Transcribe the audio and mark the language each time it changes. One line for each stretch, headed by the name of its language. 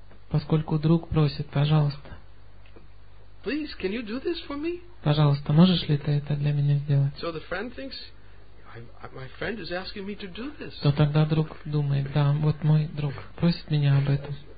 Russian: Поскольку друг просит: «Пожалуйста,
English: please, can you do this for me?»
Russian: Пожалуйста, можешь ли ты это для меня сделать?
English: So the friend thinks, my friend is asking me to do this.
Russian: То тогда друг думает: да, вот мой друг просит меня об этом.